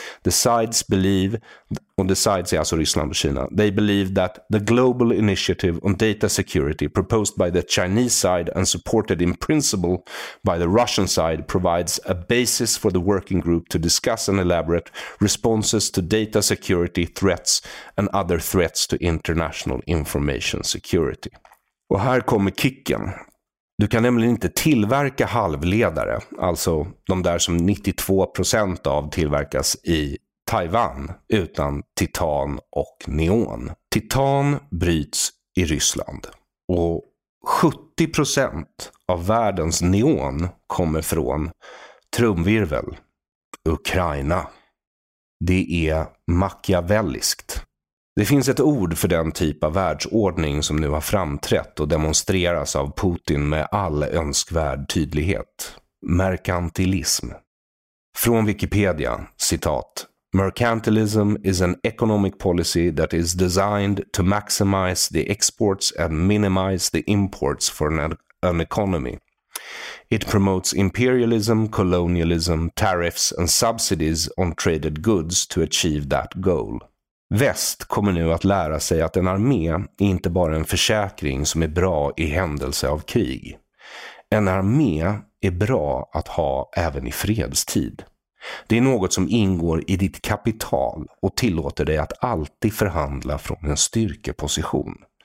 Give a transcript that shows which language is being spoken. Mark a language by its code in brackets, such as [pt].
[en] The sides believe, on the sides, yes, or Islam and China, they believe that the global initiative on data security proposed by the Chinese side and supported in principle by the Russian side provides a basis for the working group to discuss and elaborate responses to data security threats and other threats to international information security. [sv] Och här kommer kicken. Du kan nämligen inte tillverka halvledare, alltså de där som 92% av tillverkas i Taiwan, utan titan och neon. Titan bryts i Ryssland och 70% av världens neon kommer från, trumvirvel, Ukraina. Det är machiavelliskt. Det finns ett ord för den typ av världsordning som nu har framträtt och demonstreras av Putin med all önskvärd tydlighet. Merkantilism. Från Wikipedia, citat. [en] Mercantilism is an economic policy that is designed to maximize the exports and minimize the imports for an economy. It promotes imperialism, colonialism, tariffs and subsidies on traded goods to achieve that goal. [sv] Väst kommer nu att lära sig att en armé är inte bara en försäkring som är bra i händelse av krig. En armé är bra att ha även i fredstid. Det är något som ingår i ditt kapital och tillåter dig att alltid förhandla från en styrkeposition.